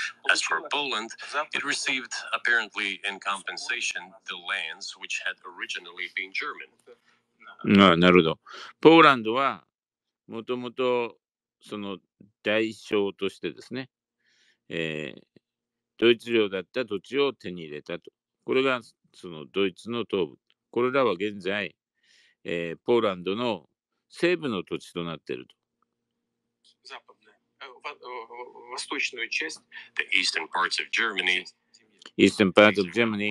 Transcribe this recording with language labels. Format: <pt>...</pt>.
<en>As for Poland, it received, apparently in compensation, the lands which had originally been German.</en> <ja>なるほど。ポーランドはもともとその代償としてですね、ドイツ領だった土地を手に入れたと。これがそのドイツの東部。これらは現在、ポーランドの西部の土地となっていると。</ja> <en>The eastern parts of Germany. Eastern parts of Germany.</en>